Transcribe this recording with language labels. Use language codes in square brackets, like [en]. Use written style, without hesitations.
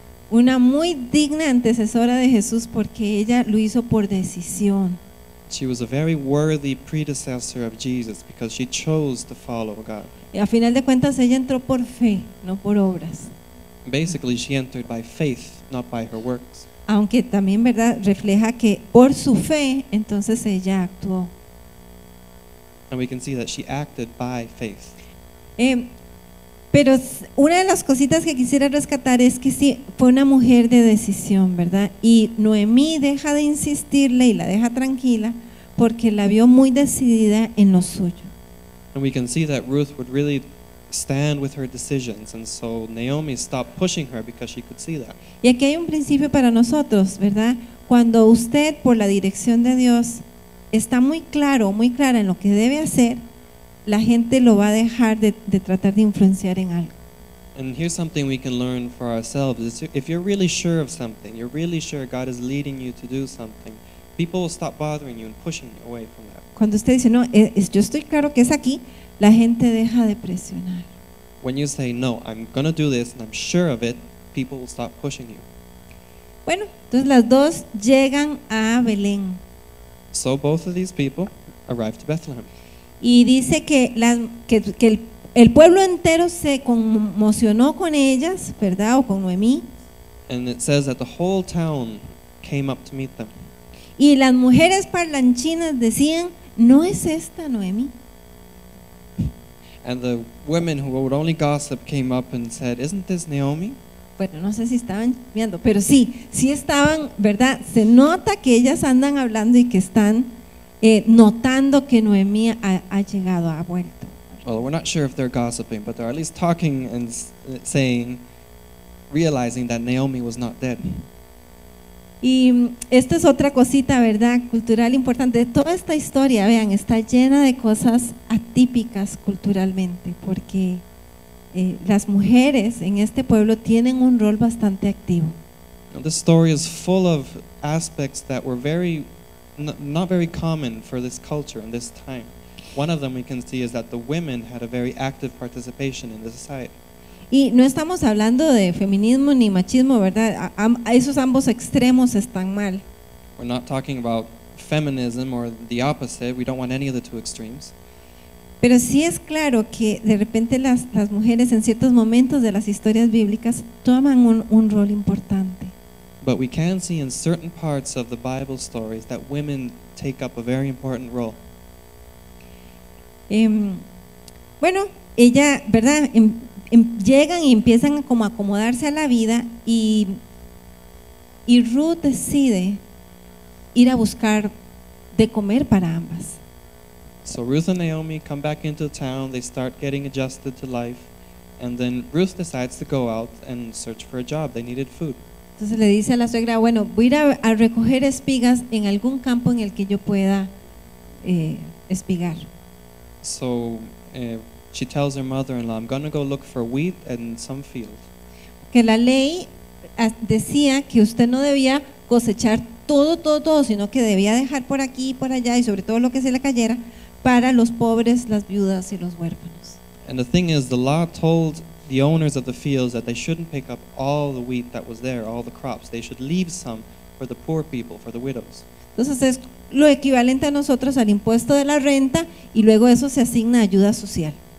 [es] Una muy digna antecesora de Jesús porque ella lo hizo por decisión. [en] She was a very worthy predecessor of Jesus because she chose to follow God. [es] Y a final de cuentas ella entró por fe, no por obras. [en] Basically, she entered by faith, not by her works. [es] Aunque también, verdad, refleja que por su fe entonces ella actuó. [en] And we can see that she acted by faith. [es] Pero una de las cositas que quisiera rescatar es que sí, fue una mujer de decisión, ¿verdad? Y Noemí deja de insistirle y la deja tranquila porque la vio muy decidida en lo suyo. [en] And we can see that Ruth would really stand with her decisions, and so Naomi stopped pushing her because she could see that. [es] Y aquí hay un principio para nosotros, ¿verdad? Cuando usted, por la dirección de Dios, está muy claro, muy clara en lo que debe hacer, la gente lo va a dejar de tratar de influenciar en algo. [en] And here's something we can learn for ourselves. If you're really sure of something, you're really sure God is leading you to do something, people will stop bothering you and pushing you away from that. [es] Cuando usted dice, no, yo estoy claro que es aquí, la gente deja de presionar. [en] When you say, no, I'm going to do this and I'm sure of it, people will stop pushing you. [es] Bueno, entonces las dos llegan a Belén. [en] So both of these people arrive to Bethlehem. [es] Y dice que el pueblo entero se conmocionó con ellas, ¿verdad? O con Noemí. [en] And it says that the whole town came up to meet them. [es] Y las mujeres parlanchinas decían, ¿no es esta Noemí? [en] And the women who would only gossip came up and said, isn't this Naomi? [es] Bueno, no sé si estaban viendo, pero sí, sí estaban, ¿verdad? Se nota que ellas andan hablando y que están notando que Noemí ha llegado, ha vuelto. [en] Well, we're not sure if they're gossiping, but they're at least talking and saying, realizing that Naomi was not dead. [es] Y esta es otra cosita, ¿verdad? Cultural importante. Toda esta historia, vean, está llena de cosas atípicas culturalmente, porque las mujeres en este pueblo tienen un rol bastante activo. [en] Now, this story is full of aspects that were very not very common for this culture in this time. One of them we can see is that the women had a very active participation in the society. [es] Y no estamos hablando de feminismo ni machismo, ¿verdad? Esos ambos extremos están mal. [en] We're not talking about feminism or the opposite. We don't want any of the two extremes. [es] Pero sí es claro que de repente las mujeres en ciertos momentos de las historias bíblicas toman un rol importante. [en] But we can see in certain parts of the Bible stories that women take up a very important role. [es] Bueno, ella, ¿verdad? Llegan y empiezan como a acomodarse a la vida y Ruth decide ir a buscar de comer para ambas. [en] So Ruth and Naomi come back into town, they start getting adjusted to life, and then Ruth decides to go out and search for a job. They needed food. [es] Entonces le dice a la suegra, bueno, voy a ir a recoger espigas en algún campo en el que yo pueda espigar. [en] So she tells her mother-in-law, I'm going to go look for wheat in some field. [es] Que la ley decía que usted no debía cosechar todo, sino que debía dejar por aquí y por allá y sobre todo lo que se le cayera para los pobres, las viudas y los huérfanos. [en] And the thing is, the law told the owners of the fields that they shouldn't pick up all the wheat that was there, all the crops. They should leave some for the poor people, for the widows. [es] Entonces es lo equivalente a nosotros al impuesto de la renta y luego eso se asigna ayuda social.